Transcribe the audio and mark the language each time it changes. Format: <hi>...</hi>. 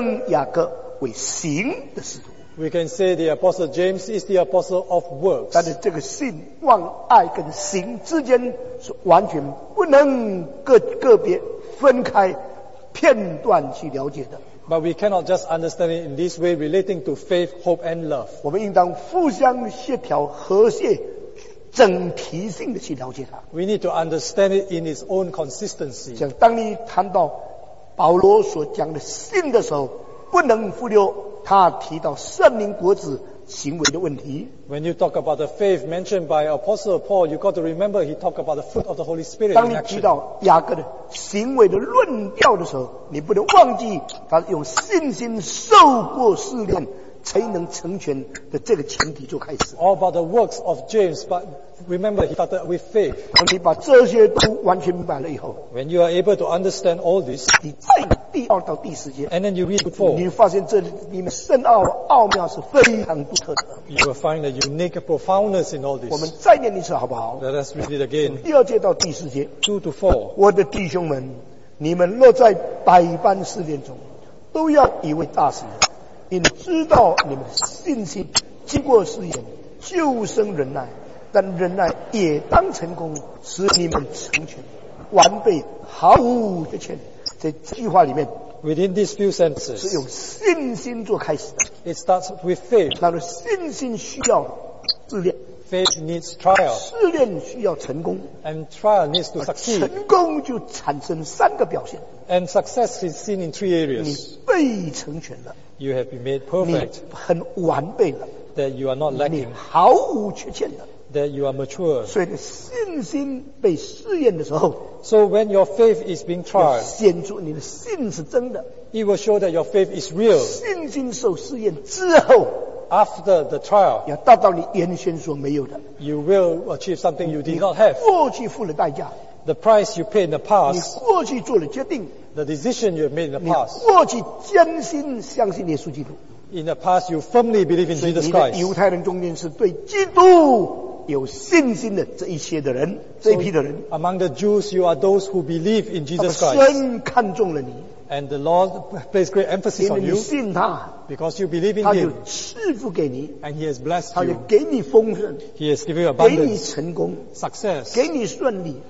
<zh>我们可以名正言顺称雅各为行的使徒。</zh> <en>We can say the Apostle James is the Apostle of works.</en> <zh>但是这个信、望、爱跟行之间是完全不能个别分开、片段去了解的。</zh> <en>But we cannot just understand it in this way relating to faith, hope and love.</en> <zh>我们应当互相协调和谐。整体性的去了解它。</zh> <en>We need to understand it in its own consistency.</en> <zh>像当你谈到保罗所讲的信的时候, 不能忽略。他提到圣灵果子行为的问题。</zh> <en>When you talk about the faith mentioned by Apostle Paul, you've got to remember he talked about the fruit of the Holy Spirit.</en> <zh>当你提到雅各的行为的论调的时候, 你不能忘记他用信心受过试炼才能成全的这个前提就开始。</zh> <en>All about the works of James, but remember he started with faith.</en> <zh>当你把这些都完全明白了以后,</zh> <en>when you are able to understand all this,</en> <zh>你再第二到第四节,</zh> <en>and then you read before,</en> <zh>你发现这里面深奥奥妙是非常独特的。</zh> <en>You will find a unique profoundness in all this.</en> <zh>我们再念一次好不好?</zh> <en>Let us read it again.</en> <zh>第二节到第四节,</zh> <en>2 to 4,</en> <zh>我的弟兄们, 你们若在百般试炼中, 都要以为大事, 因知道你们信心, 经过试验, 就生忍耐, 但忍耐也当成功, 使你们成全, 完备, 毫无缺欠。在计划里面,</zh> <en>within these few sentences,</en> <zh>是用信心做开始的,</zh> <en>it starts with faith.</en> <zh>那么信心需要试炼,</zh> <en>faith needs trial.</en> <zh>试炼需要成功,</zh> <en>and trial needs to succeed.</en> <zh>成功就产生三个表现,</zh> <en>and success is seen in three areas.</en> <zh>你被成全了,</zh> <en>you have been made perfect.</en> <zh>你很完备了,</zh> <en>that you are not lacking.</en> <zh>你毫无缺陷的,</zh> <en>that you are mature.</en> <zh>所以信心被试验的时候,</zh> <en>so when your faith is being tried,</en> <zh>显出你的信是真的,</zh> <en>it will show that your faith is real.</en> <zh>信心受试验之后,</zh> <en>after the trial,</en> <zh>要达到你原先所没有的,</zh> <en>you will achieve something you did not have.</en> <zh>过去付了代价,</zh> <en>the price you paid in the past,</en> <zh>你过去做了决定,</zh> <en>the decision you have made in the past,</en> <zh>你过去坚信相信耶稣基督,</zh> <en>in the past you firmly believe in Jesus Christ.</en> <zh>所以你的犹太人中间是对基督 有信心的这一些的人, 这一批的人,</zh> <en>so among the Jews you are those who believe in Jesus Christ.</en> <zh>他们深看重了你,</zh> <en>and the Lord placed great emphasis on you.</en> <zh>因为你信他,</zh> <en>because you believe in</en> <zh>他就赐福给你,</zh> <en>him.</en> <zh>他就赐福给你,</zh> <en>and he has blessed</en> <zh>他就给你丰盛,</zh> <en>you.</en> <zh>他就给你丰盛,</zh> <en>he has given you abundance.</en> <zh>给你成功,</zh> <en>success.</en> <zh>给你顺利,</zh>